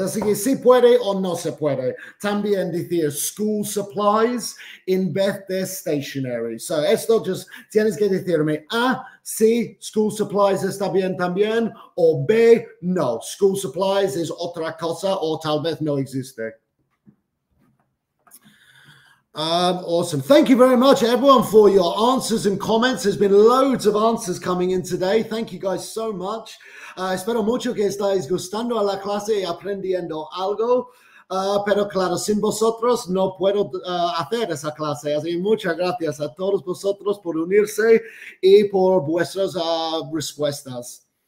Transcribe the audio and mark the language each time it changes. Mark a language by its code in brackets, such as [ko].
[es] Así que si puede o no se puede. También decir school supplies en vez de stationery. So esto just tienes que decirme A, si school supplies está bien también, o B, no, school supplies es otra cosa o tal vez no existe. [en] Awesome. Thank you very much, everyone, for your answers and comments. There's been loads of answers coming in today. Thank you guys so much. [es] Espero mucho que estáis gustando a la clase y aprendiendo algo. Pero claro, sin vosotros no puedo hacer esa clase. Así que muchas gracias a todos vosotros por unirse y por vuestras respuestas.